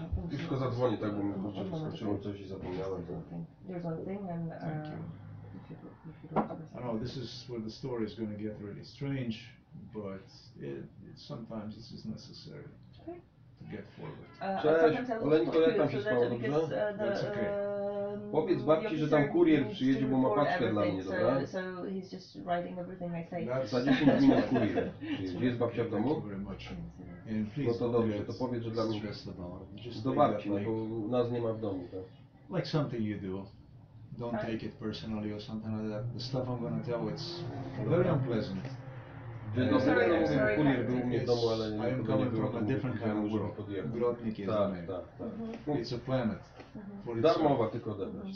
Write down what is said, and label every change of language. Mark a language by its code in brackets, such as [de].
[pl] Tylko zadzwonię, tak bym skończyło coś i zapomniałem. [en] There's one thing and... Thank you. I know, this is where the story is going to get really strange. But sometimes this is necessary to get forward. [pl] Cześć, Oleńko, jak tam się spało, dobrze? [en] That's okay. [pl] Powiedz babci, że tam kurier przyjedzie, bo ma paczkę dla mnie, dobra? [en] So he's just writing everything I say. [pl] Za 10 minut kurier przyjedzie. Jest babcia w domu? No to dobrze, to powiedz, że dla mnie do babci, no bo nas nie ma w domu, tak? [en] Like something you do. Don't take it personally or something like that. The stuff I'm gonna tell, it's very unpleasant. I am coming from a different kind of world. Grodnik is the name. It's a planet. [pl] Darmowa, tylko odebrać.